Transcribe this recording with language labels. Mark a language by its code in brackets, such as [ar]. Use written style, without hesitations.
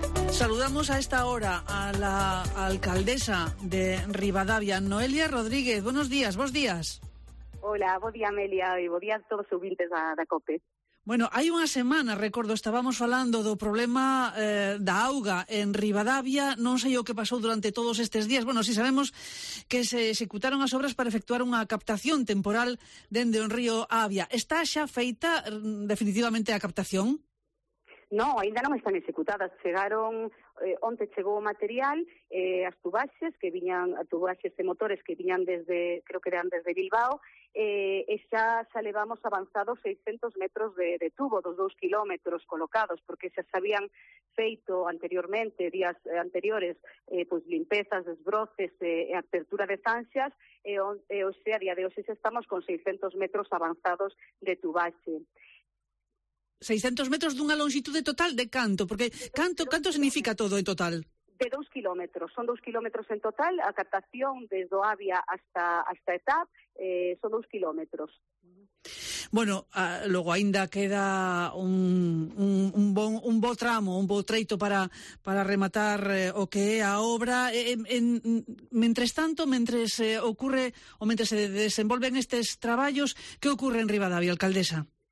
[es] Saludamos a esta hora a la alcaldesa de Rivadavia, Noelia Rodríguez. Buenos días, buenos días. Hola, buenos días, Amelia, y buenos días a todos los oyentes de COPE. Bueno, hay una semana, recuerdo, estábamos hablando [gl] do problema da auga [es] en Rivadavia. [gl] Non sei o que pasou durante todos estes días. Bueno, sí sabemos que se executaron as obras para efectuar unha captación temporal dende o río Avia. Está xa feita definitivamente a captación? No, ainda non están executadas. Chegaron, onte chegou o material, as tubaxes que viñan, as tubaxes de motores que viñan desde, creo que eran desde Bilbao, e xa levamos avanzados 600 metros de tubo, dos 2 kilómetros colocados, porque xa se habían feito anteriormente, días anteriores, pues limpezas, desbroces, apertura de zanxas, a día de hoxe xa estamos con 600 metros avanzados de tubaxe. 600 metros dunha longitude total de canto? Porque canto significa todo en total? De 2 kilómetros, son 2 kilómetros en total, a captación desde Avia hasta ETAP, son 2 kilómetros. Bueno, logo aínda queda un bo tramo, un bo treito para rematar o que é a obra. Mentre se desenvolven estes traballos, que ocurre en Rivadavia, alcaldesa?